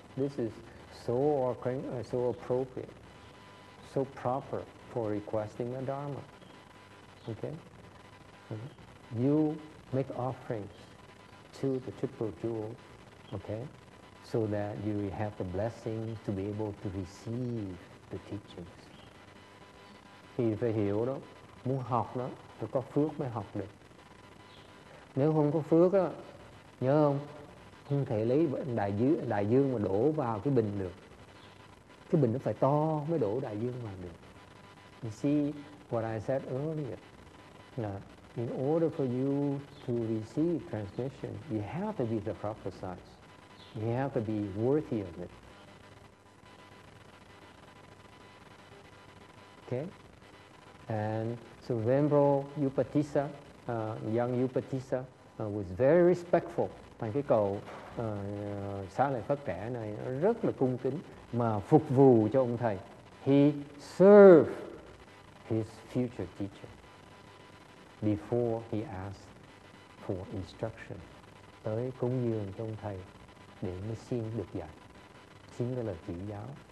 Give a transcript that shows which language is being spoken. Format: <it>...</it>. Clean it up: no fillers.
<en>This is so appropriate, so proper for requesting a dharma. Okay, you make offerings to the triple jewel, okay, so that you have the blessing to be able to receive the teachings.</en> <vi>Thì phải hiểu đó, muốn học đó phải có phước mới học được. Nếu không có phước á, nhớ không, không thể lấy đại dương mà đổ vào cái bình được. Cái bình nó phải to mới đổ đại dương vào được.</vi> <en>You see what I said earlier. Now, in order for you to receive transmission, you have to be the proper size. You have to be worthy of it. Okay? And so Venerable Upatissa, young Upatissa, was very respectful.</en> <vi>Thành cái cầu xá lợi Phất trẻ này rất là cung kính mà phục vụ cho ông thầy.</vi> <en>He served his future teacher before he asked for instruction.</en> <vi>Tới cúng dường cho ông thầy để mới xin được dạy, xin cái lời chỉ giáo.</vi>